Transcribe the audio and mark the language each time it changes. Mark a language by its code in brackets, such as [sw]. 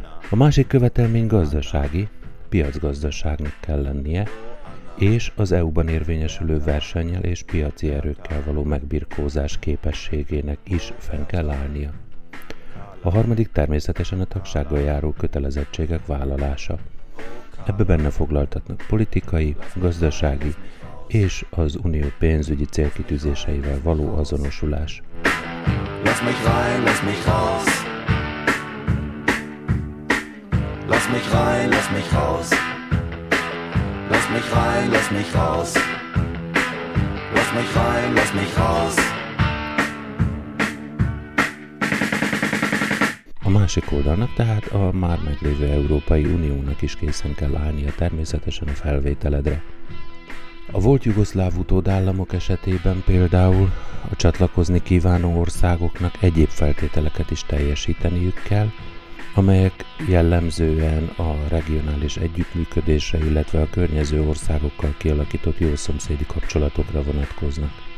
[hu] A másik követelmény gazdasági, piacgazdaságnak kell lennie, és az EU-ban érvényesülő versennyel és piaci erőkkel való megbirkózás képességének is fenn kell állnia. A harmadik természetesen a tagsággal járó kötelezettségek vállalása. Ebbe benne foglaltatnak politikai, gazdasági és az unió pénzügyi célkitűzéseivel való azonosulás. [de] Lass mich rein, lass mich raus. Lass mich rein, lass mich raus. Lass mich rein, lass mich raus. Lass mich rein, lass mich raus. [hu] A másik oldalnak tehát a már meglévő Európai Uniónak is készen kell állnia természetesen a felvételedre. A volt jugoszláv utódállamok esetében például a csatlakozni kívánó országoknak egyéb feltételeket is teljesíteniük kell, amelyek jellemzően a regionális együttműködésre, illetve a környező országokkal kialakított jó szomszédi kapcsolatokra vonatkoznak.